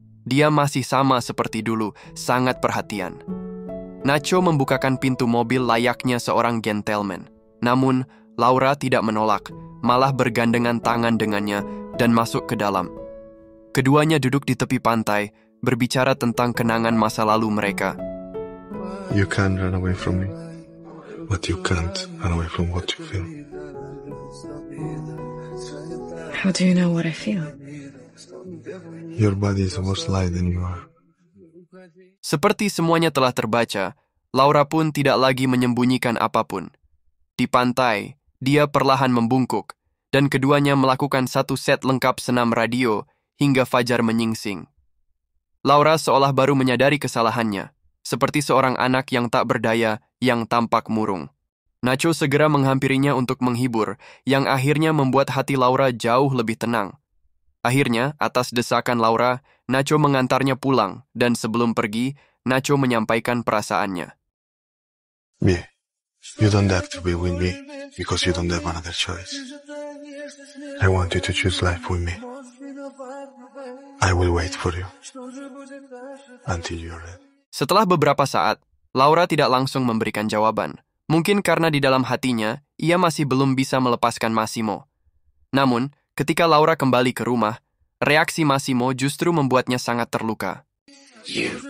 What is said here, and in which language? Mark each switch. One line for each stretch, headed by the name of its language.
Indonesian: Dia masih sama seperti dulu, sangat perhatian. Nacho membukakan pintu mobil layaknya seorang gentleman. Namun, Laura tidak menolak, malah bergandengan tangan dengannya dan masuk ke dalam. Keduanya duduk di tepi pantai, berbicara tentang kenangan masa lalu mereka.
English: You can run away from me, but you can't run away from what you feel. How do you know what I feel? Your body is worse lie than you are.
Indonesian: Seperti semuanya telah terbaca, Laura pun tidak lagi menyembunyikan apapun. Di pantai, dia perlahan membungkuk, dan keduanya melakukan satu set lengkap senam radio hingga fajar menyingsing. Laura seolah baru menyadari kesalahannya, seperti seorang anak yang tak berdaya yang tampak murung. Nacho segera menghampirinya untuk menghibur, yang akhirnya membuat hati Laura jauh lebih tenang. Akhirnya, atas desakan Laura, Nacho mengantarnya pulang, dan sebelum pergi, Nacho menyampaikan perasaannya.
English: Me, you don't have to be with me, because you don't have another choice. I want you to choose life with me. I will wait for you, until you're ready.
Indonesian: Setelah beberapa saat, Laura tidak langsung memberikan jawaban. Mungkin karena di dalam hatinya, ia masih belum bisa melepaskan Massimo. Namun, ketika Laura kembali ke rumah, reaksi Massimo justru membuatnya sangat terluka.
English: You.